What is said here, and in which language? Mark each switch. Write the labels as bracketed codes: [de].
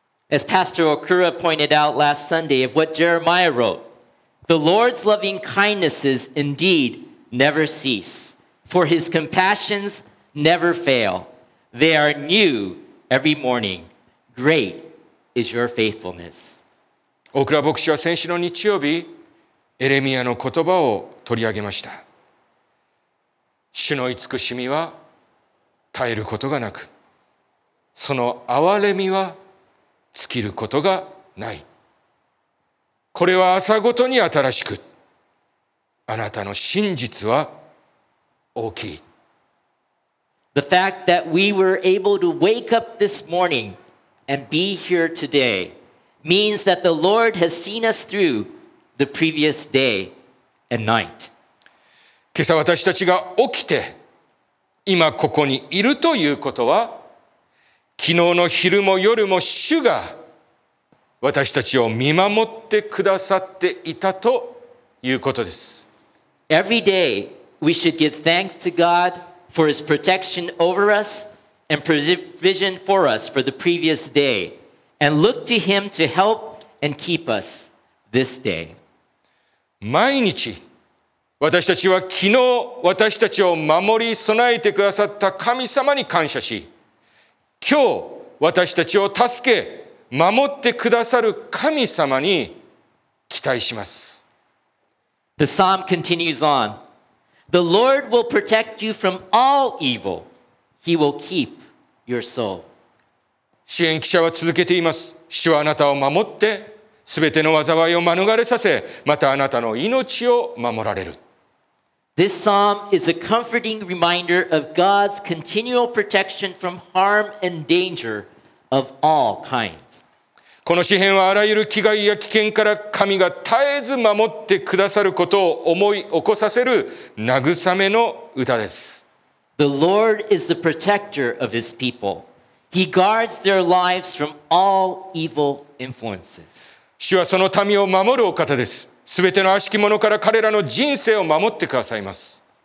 [en] As Pastor Okura pointed out last Sunday of what Jeremiah wrote, the Lord's loving kindnesses indeed never cease. For his compassions never fail. They are new every morning. Great is your faithfulness. [ja] 大倉牧師は先週の日曜日、エレミアの言葉を取り上げました。主の慈しみは絶えることがなく、その憐れみは尽きることがない。これは朝ごとに新しく、あなたの真実は大きい。 [en] The fact that we were able to wake up this morning and be here today means that the Lord has seen us through the previous day and night. [ja] 今朝私たちが起きて今ここにいるということは、昨日の昼も夜も主が私たちを見守ってくださっていたということです。 [en] Every dayWe should give thanks to God for his protection over us and provision for us for the previous day and look to him to help and keep us this day. [ja] 毎日私たちは昨日私たちを守り備えてくださった神様に感謝し、今日私たちを助け守ってくださる神様に期待します。 [en] The psalm continues on. The Lord will protect you from all evil. He will keep your soul. [ja] 詩編記者は続けています。主はあなたを守って、すべての災いを免れさせ、またあなたの命を守られる。 [en] This psalm is a comforting reminder of God's continual protection from harm and danger of all kinds. [ja] この詩編はあらゆる危害や危険から神が絶えず守ってくださることを思い起こさせる慰めの歌です。 [en] The Lord is the protector of his people. He guards their lives from all evil influences. [ja] 主はその民を守るお方です。すべての悪しき者から彼らの人生を守ってくださいます。